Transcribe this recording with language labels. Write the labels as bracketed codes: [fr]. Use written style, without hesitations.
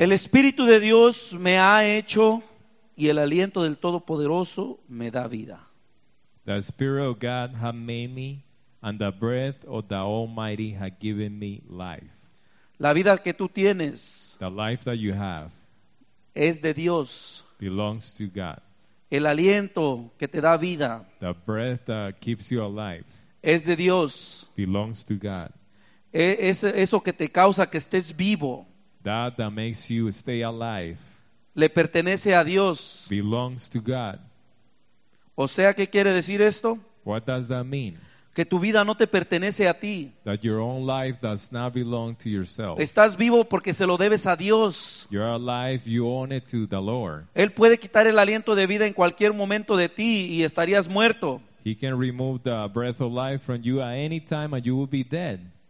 [es] El Espíritu de Dios me ha hecho y el aliento del Todopoderoso me da vida. [en] The Spirit of God has made me and the breath of the Almighty has given me life. [es] La vida que tú tienes, [en] the life that you have, [es] es de Dios. [en] Belongs to God. [es] El aliento que te da vida, [en] the breath that keeps you alive, [es] es de Dios. [en] Belongs to God. [es] Eso que te causa que estés vivo. [en] That makes you stay alive. [es] Le pertenece a Dios. [en] Belongs to God. [es] O sea, ¿qué quiere decir esto? [en] What does that mean? [es] Que tu vida no te pertenece a ti. [en] That your own life does not belong to yourself. [es] Estás vivo porque se lo debes a Dios. [en] You're alive, you own it to the Lord. [es] Él puede quitar el aliento de vida en cualquier momento de ti y estarías muerto. [en] He can remove the breath of life from you at any time and you will be dead.